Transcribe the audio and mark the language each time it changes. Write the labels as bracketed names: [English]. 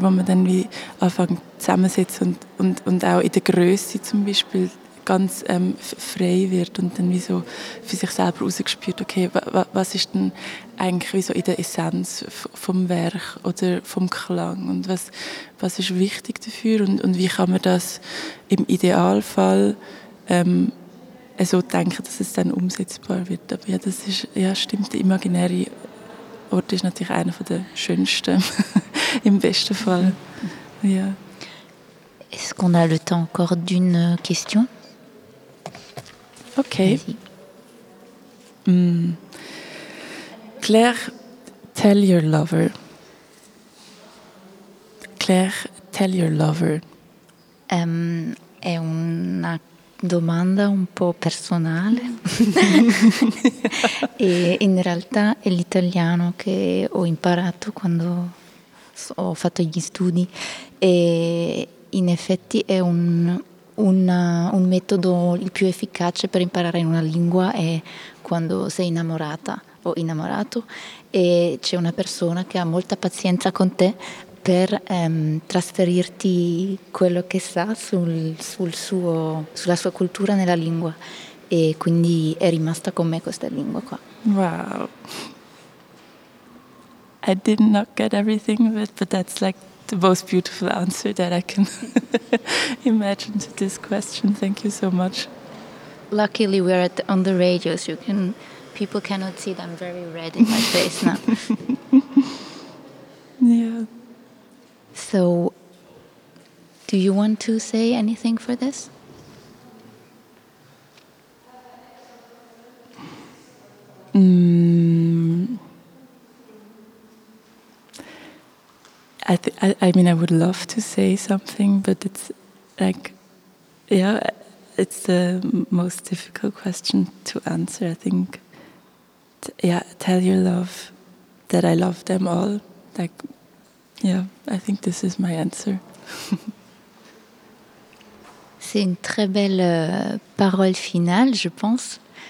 [German] Wo man dann wie anfängt zusammensitzt und auch in der Größe zum Beispiel ganz frei wird und dann wie so für sich selber rausgespürt, okay, was ist denn eigentlich wie so in der Essenz vom Werk oder vom Klang und was ist wichtig dafür und wie kann man das im Idealfall so denken, dass es dann umsetzbar wird. Aber ja, das ist, ja, stimmt, der imaginäre Ort ist natürlich einer von der schönsten, im besten Fall. Ja. [French] Est-ce qu'on a le temps encore d'une question? [English] Okay. Claire, tell your lover. Claire, tell your lover. [Italian] È una domanda un po' personale. E in realtà è l'italiano che ho imparato quando ho fatto gli studi. E in effetti è un metodo, il più efficace per imparare una lingua è quando sei innamorata o innamorato e c'è una persona che ha molta pazienza con te per trasferirti quello che sa sulla sua cultura nella lingua e quindi è rimasta con me questa lingua qua. [English] Wow. I did not get everything of it, but that's like the most beautiful answer that I can imagine to this question. Thank you so much. Luckily, we're on the radio, so people cannot see that I'm very red in my face now. Yeah. So, do you want to say anything for this? I mean, I would love to say something, but it's like, yeah, it's the most difficult question to answer, I think. Tell your love that I love them all. Like, yeah, I think this is my answer. [French] C'est une très belle parole finale, je pense.